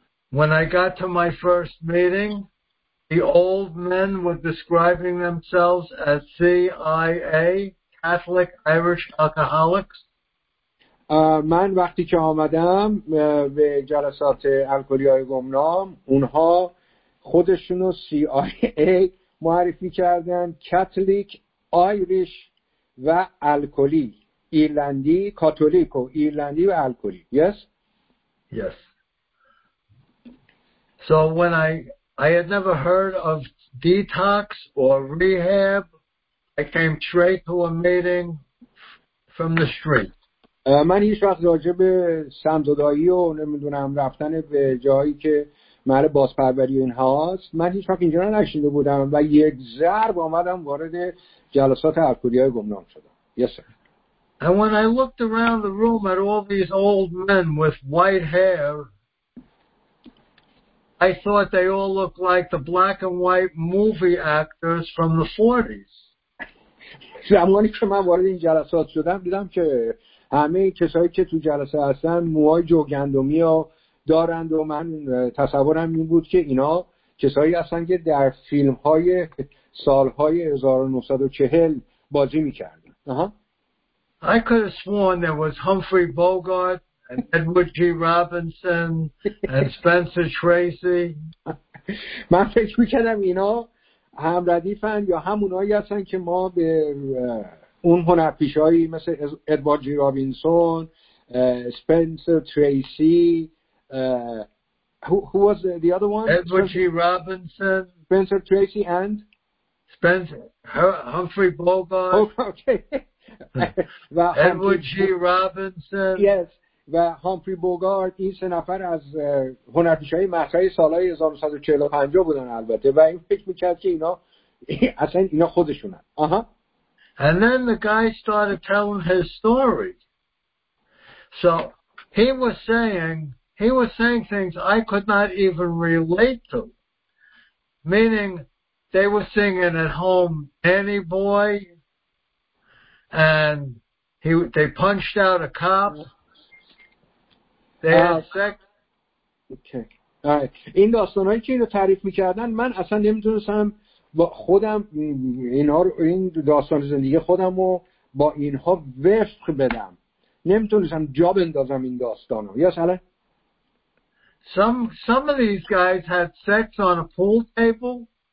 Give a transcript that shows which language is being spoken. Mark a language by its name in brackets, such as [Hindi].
[English] When I got to my first meeting, the old men were describing themselves as CIA, Catholic Irish Alcoholics. [Persian] من وقتی که آمدم به جلسات الکلی‌های گمنام، اونها خودشونو CIA معرفی کردن، کاتولیک، آیریش و الکلی، ایرلندی، کاتولیک و ایرلندی و الکلی. [English] Yes. Yes. So when I had never heard of detox or rehab, I came straight to a meeting from the street. من هیچ وقت راجع به سمزدائی و نمیدونم رفتن به جایی که محل بازپروری این هاست، من هیچ وقت اینجا نشینده بودم و یک ضرب آمدم وارد جلسات الکلی‌های گمنام شدم. Yes, sir. And when I looked around the room at all these old men with white hair, I thought they all looked like the black and white movie actors from the 40s. [Persian] زمانی که من وارد این جلسات شدم، دیدم که همه کسایی که تو جلسه هستن موهای جوگندمی و دارند و من تصورم این بود که اینا کسایی هستن که در فیلم های سالهای 1940 بازی میکردن. [English] I could have sworn there was Humphrey Bogart and Edward G. Robinson and Spencer Tracy. [Persian] من فکر میکردم اینا هم ردیفن یا همونایی هستن که ما به اون هنرپیشهایی مثل ادوارد جی رابینسون، اسپنسر تریسی، [English] who was the other one? [Persian] ادوارد جی رابینسون، اسپنسر تریسی and اسپنسر هامفری بوگارت. اوکی. ادوارد جی رابینسون. [English] Yes. [Persian] و هامفری بوگارت این سه نفر از هنرپیشهای مطرح سالهای 1945 بودن البته و این فکر میکرد که اینا اصلا اینا خودشونن. آها. [English] And then the guy started telling his story. So he was saying things I could not even relate to. Meaning they were singing at home Danny Boy and they punched out a cop. Okay. [Persian] این داستانهایی که اینو تعریف میکردن من اصلا نمیتونستم با خودم اینا رو این داستان زندگی خودم رو با اینها وفق بدم نمیتونستم جا بندازم این داستانو یا سلام [English] some of these guys had sex on a pool table